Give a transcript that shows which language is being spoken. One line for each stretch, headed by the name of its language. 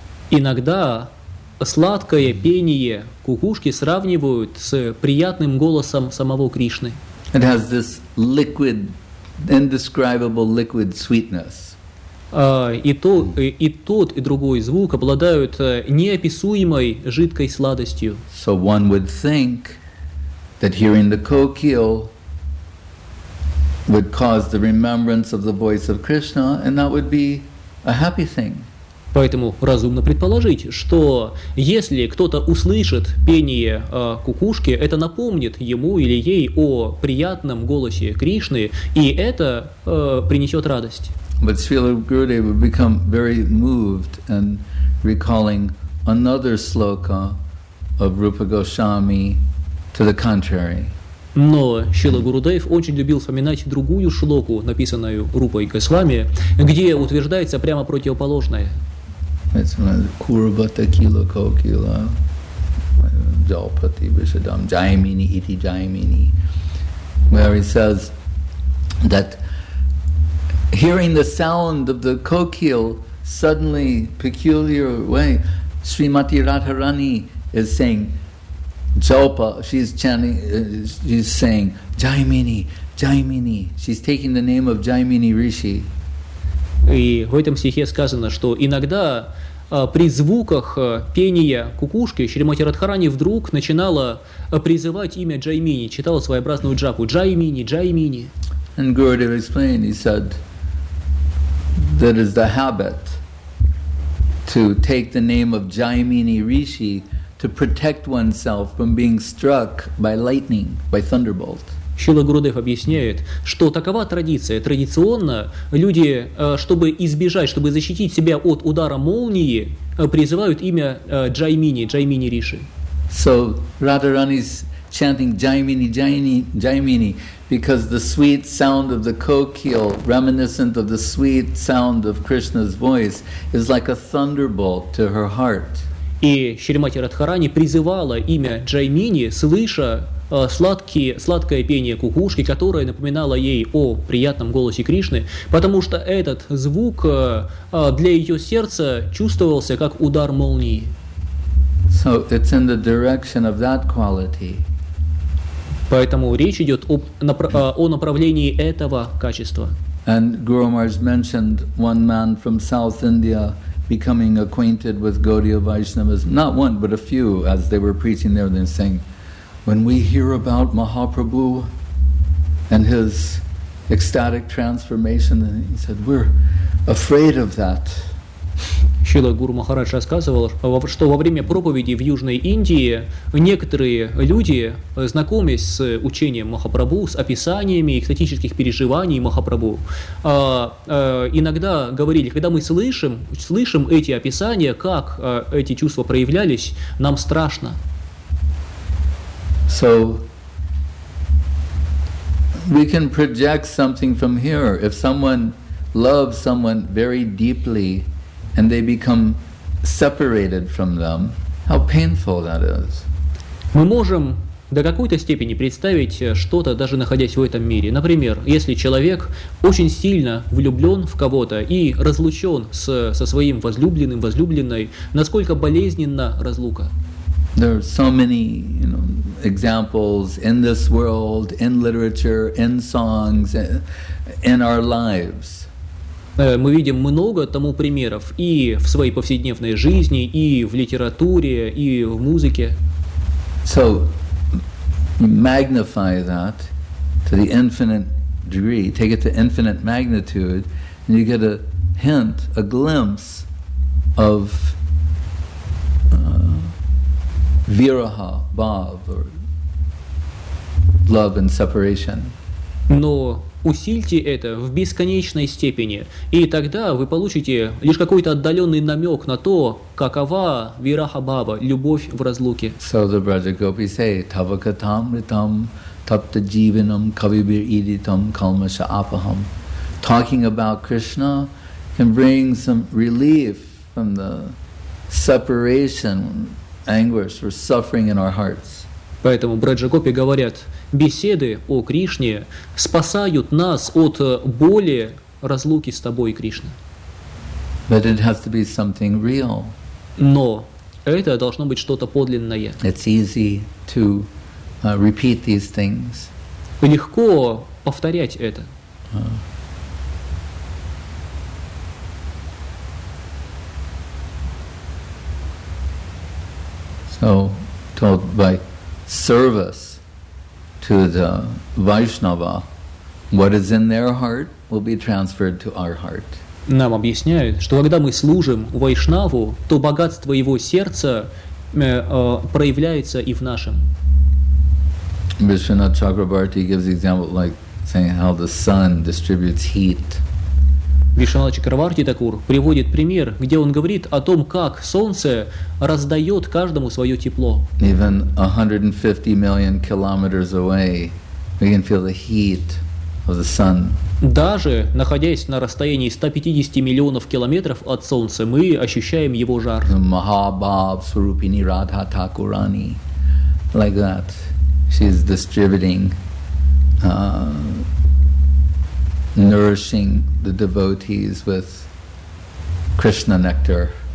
Russian: Иногда сладкое пение кукушки сравнивают с приятным голосом самого Кришны.
English: It has this liquid, indescribable liquid sweetness.
Russian: И тот, и другой звук обладают неописуемой жидкой сладостью.
English: So one would think that hearing the kokil would cause the remembrance of the voice of Krishna, and that would be a happy thing.
Russian: Поэтому разумно предположить, что если кто-то услышит пение кукушки, это напомнит ему или ей о приятном голосе Кришны, и это принесет радость.
English: But Srila Gurudev would become very moved and recalling another sloka of Rupa Goswami to the contrary.
Russian: Но Шрила Гурудев очень любил вспоминать другую шлоку, написанную Рупой Госвами, где утверждается прямо противоположное.
Sanskrit: Курбата кила кокила джалпати вишадам джаймини ити джаймини,
English: where he says that hearing the sound of the kokil suddenly peculiar way, Srimati Radharani is saying Jalpa, she's chanting, she's saying, Jaimini, Jaimini. She's taking the name of Jaimini Rishi.
Russian: И в этом стихе сказано, что иногда при звуках пения кукушки Шримати Радхарани вдруг начинала призывать имя Jaimini, читала своеобразную джапу, Jaimini, Jaimini.
English: And Gurudev explained, he said, that is the habit to take the name of Jaimini Rishi to protect oneself from being struck by lightning, by thunderbolt.
Russian: Шрила Гурудев объясняет, что такова традиция. Традиционно люди, чтобы избежать, чтобы защитить себя от удара молнии, призывают имя Джаймини, Джаймини Риши.
English: So Radharani is chanting Jaimini, Jaimini, Jaimini, because the sweet sound of the kokil, reminiscent of the sweet sound of Krishna's voice, is like a thunderbolt to her heart.
Russian: И Шримати Радхарани призывала имя Джаймини, слыша сладкое пение кукушки, которое напоминало ей о приятном голосе Кришны, потому что этот звук для ее сердца чувствовался как удар молнии.
English: So it's in the direction of that quality.
Russian: Поэтому речь идет о направлении этого качества.
English: And Guru Maharaj mentioned one man from South India becoming acquainted with Gaudiya Vaishnavas, not one, but a few, as they were preaching there, they're saying, when we hear about Mahaprabhu and his ecstatic transformation, and he said, we're afraid of that.
Russian: Шрила Гуру Махарадж рассказывал, что во время проповеди в Южной Индии некоторые люди, знакомясь с учением Махапрабху, с описаниями экстатических переживаний Махапрабху, иногда говорили, когда мы слышим эти описания, как эти чувства проявлялись, нам страшно.
English: So we can project something from here. If someone loves someone very deeply and they become separated from them, how painful that is.
Russian: Мы можем до какой-то степени представить что-то, даже находясь в этом мире. Например, если человек очень сильно влюблен в кого-то и разлучен со своим возлюбленным, возлюбленной, насколько болезненна разлука.
English: There are so many, you know, examples in this world, in literature, in songs, in our lives.
Russian: Мы видим много тому примеров и в своей повседневной жизни, и в литературе, и в музыке.
English: So magnify that to the infinite degree, take it to infinite magnitude, and you get a hint, a glimpse of Viraha, Bhav, or love and separation.
Russian: Но усильте это в бесконечной степени, и тогда вы получите лишь какой-то отдаленный намек на то, какова Вираха Бхава, любовь в разлуке.
English: So the Braja Gopis say,
Sanskrit: Tavakatam ritam tapta jivinam kavibir iditam kalmasha apaham.
English: Talking about Krishna can bring some relief from the separation, anguish, or suffering in our hearts.
Russian: Поэтому Браджа-гопи говорят, беседы о Кришне спасают нас от боли разлуки с тобой, Кришна.
English: But it has to be something real.
Russian: Но это должно быть что-то подлинное.
English: It's easy to repeat these things.
Russian: Легко повторять это.
English: So, told by service to the Vaishnava, what is in their heart will be transferred to our heart.
Russian: Нам объясняют, что когда мы служим Вайшнаву, то богатство его сердца проявляется и в нашем.
English: Vishwanath Chakrabarti gives example like saying how the sun distributes heat.
Russian: Вишванатха Чакраварти Такур приводит пример, где он говорит о том, как солнце раздает каждому свое тепло.
English: Even 150 million kilometers away, we can feel the heat of the sun.
Russian: Даже находясь на расстоянии 150 миллионов километров от солнца, мы ощущаем его жар.
English: Mahabhav Swarupini Radha Thakurani, like that, she's distributing nourishing the devotees with Krishna nectar.